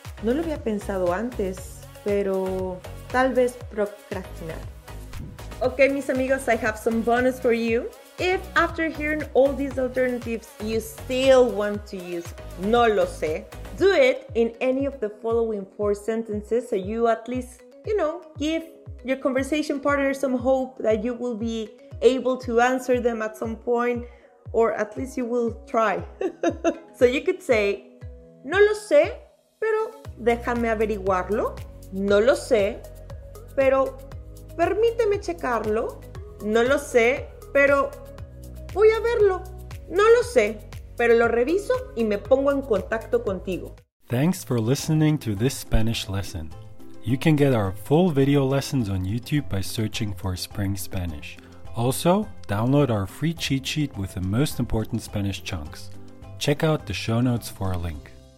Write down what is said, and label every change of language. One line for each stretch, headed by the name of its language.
Spanish: No lo había pensado antes, pero tal vez procrastinar.
English: Okay,
Spanish: mis amigos,
English: I have some bonus for you. If after hearing all these alternatives, you still want to use
Spanish: no lo sé,
English: do it in any of the following 4 sentences so you at least, you know, give your conversation partner some hope that you will be able to answer them at some point, or at least you will try. So you could say,
Spanish: no lo sé, pero déjame averiguarlo. No lo sé, pero permíteme checarlo. No lo sé, pero voy a verlo. No lo sé, pero lo reviso y me pongo en contacto contigo.
English: Thanks for listening to this Spanish lesson. You can get our full video lessons on YouTube by searching for Spring Spanish. Also, download our free cheat sheet with the most important Spanish chunks. Check out the show notes for a link.